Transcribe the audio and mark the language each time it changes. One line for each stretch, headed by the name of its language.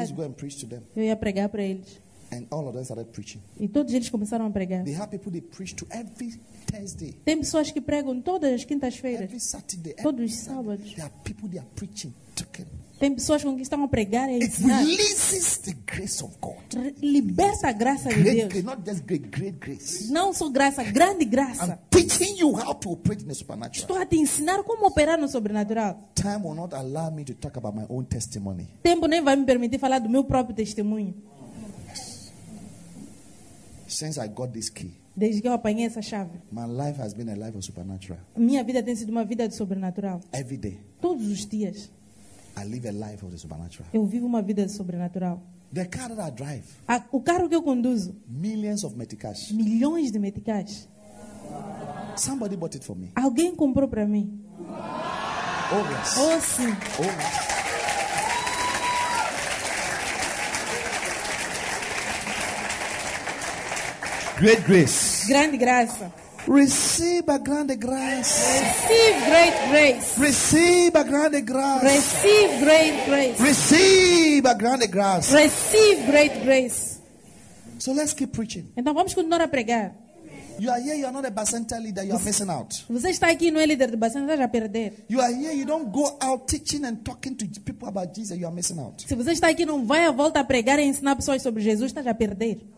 English: I used to go and preach to them.
Portuguese: Eu ia pregar para eles.
English: And all of them started preaching.
Portuguese: E todos eles começaram a pregar.
English: They have people they preach to every Thursday.
Portuguese: Tem pessoas que pregam todas as quintas-feiras.
English: Every Saturday.
Portuguese: Todos os sábados.
English: There are people they are preaching to them.
Portuguese: Tem pessoas com quem estão a pregar e a ensinar.
English: It releases the grace of God.
Portuguese: Liberta a graça de
English: great,
Portuguese: Deus.
English: Grace, not just great grace.
Portuguese: Não só graça, grande graça.
English: I'm teaching you how to operate in the supernatural.
Portuguese: Estou a te ensinar como operar no sobrenatural.
English: Time will not allow me to talk about my own testimony.
Portuguese: Tempo nem vai me permitir falar do meu próprio testemunho.
English: Since I got this key.
Portuguese: Desde que eu apanhei essa chave.
English: My life has been a life of supernatural.
Portuguese: Minha vida tem sido uma vida de sobrenatural.
English: Every day.
Portuguese: Todos os dias.
English: I live a life of the supernatural.
Portuguese: Eu vivo uma vida sobrenatural.
English: The car that I drive.
Portuguese: O carro que eu conduzo.
English: Millions of meticais.
Portuguese: Milhões de meticais.
English: Somebody bought it for me.
Portuguese: Alguém comprou para mim.
English: Oh yes.
Portuguese: Oh sim.
English: Oh yes. Great grace.
Portuguese: Grande graça.
English: Receive a grande grace. Receive great grace. Receive a grande grace. Receive great grace. Receive a grande grace. Receive great grace. So let's keep preaching.
Portuguese: Então vamos continuar a pregar.
English: You are here, you are not a Bacenta leader, you are missing out.
Portuguese: Você está aqui, não é líder de Bacenta, você já perdeu.
English: You are here, you don't go out teaching and talking to people about Jesus, you are missing out.
Portuguese: Se você está aqui, não vai à volta a pregar e ensinar pessoas sobre Jesus, está já perdendo.